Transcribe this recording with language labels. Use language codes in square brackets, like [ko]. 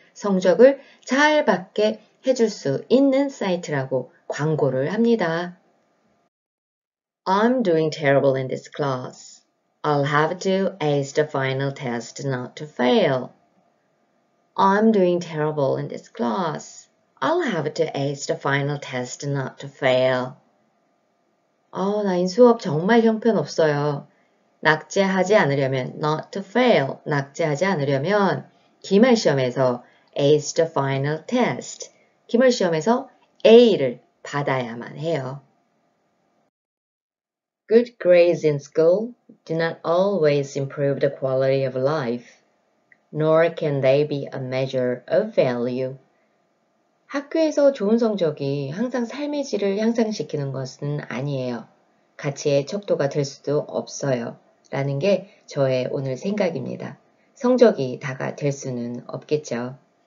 [ko] 성적을 잘 받게 해줄 수 있는 사이트라고 광고를 합니다. [en] I'm doing terrible in this class. I'll have to ace the final test not to fail. I'm doing terrible in this class. I'll have to ace the final test not to fail. [ko] 나 이 수업 정말 형편없어요. 낙제하지 않으려면, [en] not to fail, [ko] 낙제하지 않으려면 기말 시험에서 [en] ace the final test, [ko] 기말 시험에서 A를 받아야만 해요. [en] Good grades in school do not always improve the quality of life. Nor can they be a measure of value. [ko] 학교에서 좋은 성적이 항상 삶의 질을 향상시키는 것은 아니에요. 가치의 척도가 될 수도 없어요. 라는 게 저의 오늘 생각입니다. 성적이 다가 될 수는 없겠죠.